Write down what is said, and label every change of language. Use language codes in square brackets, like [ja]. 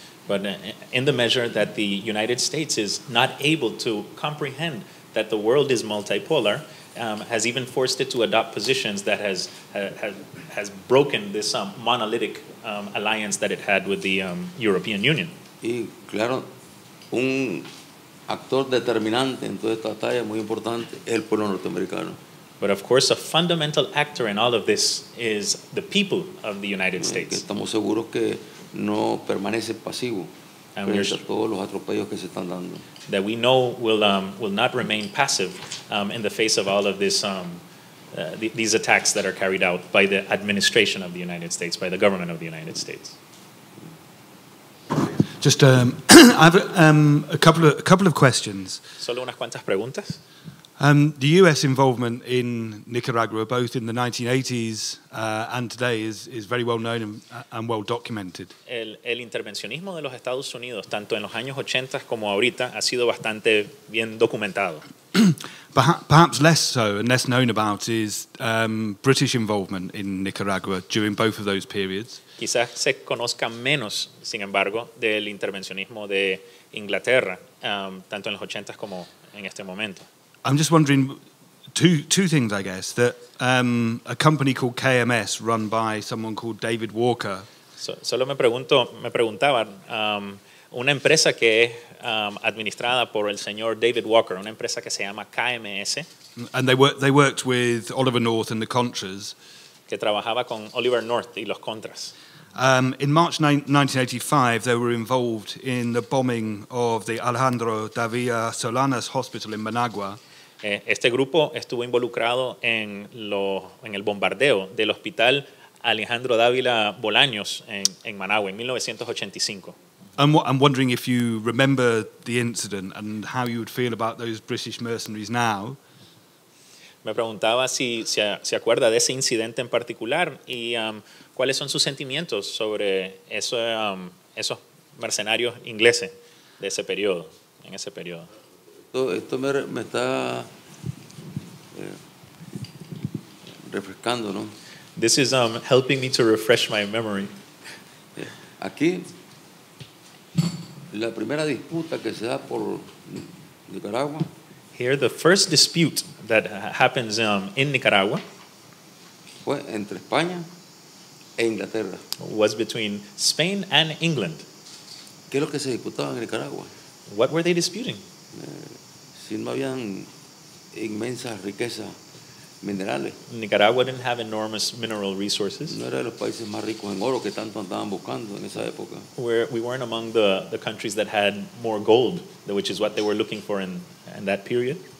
[en] But in the measure that the United States is not able to comprehend that the world is multipolar, has even forced it to adopt positions that has broken this monolithic alliance that it had with the European Union. [es] Y claro, un actor determinante en toda esta batalla muy importante es el pueblo norteamericano. [en] But of course, a fundamental actor in all of this is the people of the United States. [es] Estamos seguros que no permanece pasivo frente a todos los atropellos que se están dando. [en] That we know will not remain passive in the face of all of this these attacks that are carried out by the administration of the United States, by the government of the United States. Just I have a couple of questions. [es] Solo unas cuantas preguntas. [en] The U.S. involvement in Nicaragua, both in the 1980s and today, is very well known and well documented. [es] El intervencionismo de los Estados Unidos, tanto en los años 80 como ahorita, ha sido bastante bien documentado. [en] Perhaps less so and less known about is British involvement in Nicaragua during both of those periods. [es] Quizás se conozca menos, sin embargo, del intervencionismo de Inglaterra, tanto en los 80 como en este momento. [en] I'm just wondering two things, I guess, that a company called KMS, run by someone called David Walker. [es] Solo me preguntaban una empresa que es administrada por el señor David Walker, una empresa que se llama KMS. [en] And they worked with Oliver North and the Contras. [es] Que trabajaba con Oliver North y los Contras. [en] In March 1985, they were involved in the bombing of the Alejandro Davila Solanas Hospital in Managua. [es] Este grupo estuvo involucrado en el bombardeo del hospital Alejandro Dávila Bolaños en Managua en 1985. [en] I'm wondering if you remember the incident and how you would feel about those British mercenaries now. [es] Me preguntaba si acuerda de ese incidente en particular y cuáles son sus sentimientos sobre esos mercenarios ingleses de ese periodo, en ese periodo. Esto me está refrescando, ¿no? [en] This is helping me to refresh my memory. [es] Aquí, la primera disputa que se da por Nicaragua. [en] Here, the first dispute that happens in Nicaragua. [es] Fue entre España e Inglaterra. [en] Was between Spain and England. [es] ¿Qué es lo que se disputaba en Nicaragua? [en] What were they disputing? [es] Si no habían inmensas riquezas minerales. [en] Nicaragua didn't have enormous mineral resources. [es] No era de los países más ricos en oro que tanto andaban buscando en esa época. [en] We weren't among the countries that had more gold, which is what they were looking for in that period.